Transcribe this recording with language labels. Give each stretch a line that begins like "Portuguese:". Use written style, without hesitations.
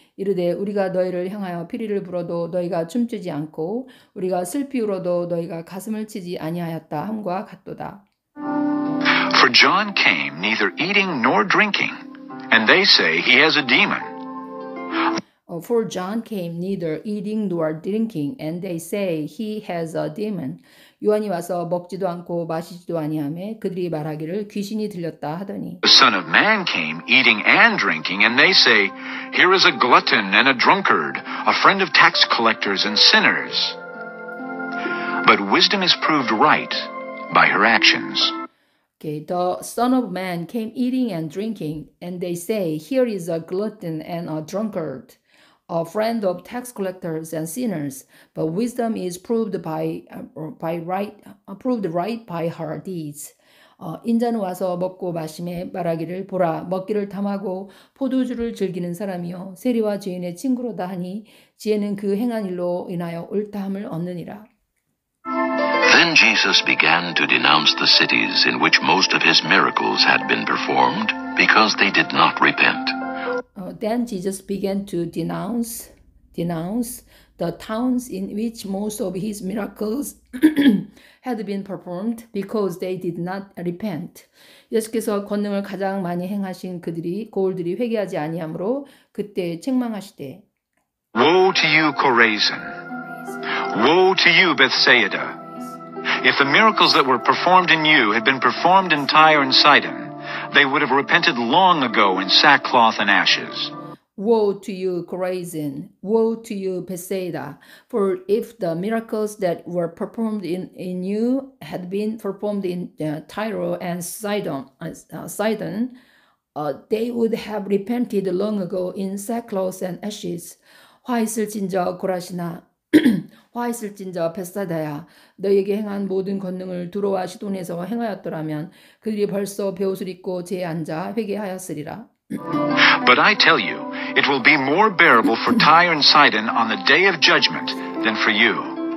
Korean: 이르되 우리가 너희를 향하여 피리를 불어도 너희가 춤추지 않고 우리가 슬피 울어도 너희가 가슴을 치지 아니하였다 함과 같도다.
English: For John came neither eating nor drinking, and they say he has a demon. For John came neither eating nor drinking, and they say he has a demon.
Korean: 요한이 와서 먹지도 않고 마시지도 아니하며 그들이 말하기를 귀신이 들렸다 하더니.
English: The Son of Man came eating and drinking, and they say, here is a glutton and a drunkard, a friend of tax collectors and sinners. But wisdom is proved right by her actions. Okay. The Son of Man came eating and drinking, and they say, here is a glutton and a drunkard, a friend of tax collectors and sinners, but wisdom is proved proved right by her deeds.
Korean: 인자는 와서 먹고 마시매 말하기를 보라 먹기를 탐하고 포도주를 즐기는 사람이요 세리와 죄인의 친구로다 하니 지혜는 그 행한 일로 인하여 옳다함을 얻느니라.
English: Then Jesus began to denounce the cities in which most of his miracles had been performed because they did not repent. Then Jesus began to denounce the towns in which most of his miracles had been performed because they did not repent.
Korean: 예수께서 권능을 가장 많이 행하신 그들이 고을들이 회개하지 아니하므로 그때 책망하시되
English: Woe to you, Chorazin! Woe to you, Bethsaida! If the miracles that were performed in you had been performed in Tyre and Sidon, they would have repented long ago in sackcloth and ashes. Woe to you, Chorazin! Woe to you, Bethsaida! For if the miracles that were performed in you had been performed in Tyre and Sidon, they would have repented long ago in sackcloth and ashes.
Korean: 화 있을진저 고라시나! 화 있을진저 벳사이다야 너에게 행한 모든 권능을 두로와 시돈에서 행하였더라면 그들이 벌써 배옷을 입고 제에 앉아 회개하였으리라.
English: But I tell you, it will be more bearable for Tyre and Sidon on the day of judgment than for you.